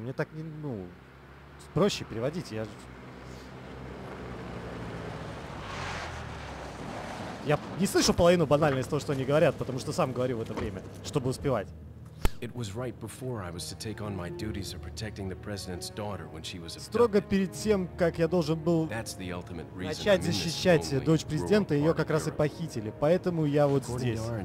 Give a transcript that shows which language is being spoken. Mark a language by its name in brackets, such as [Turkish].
[Russian] Мне так не, ну, проще переводить. Я не слышу половину банальной из того, что они говорят, потому что сам говорю в это время, чтобы успевать. [English] It was right before I was to take on my duties of protecting the president's daughter when she was abducted. [Russian] Строго перед тем, как я должен был начать защищать дочь президента, ее как раз и похитили. Поэтому я вот здесь.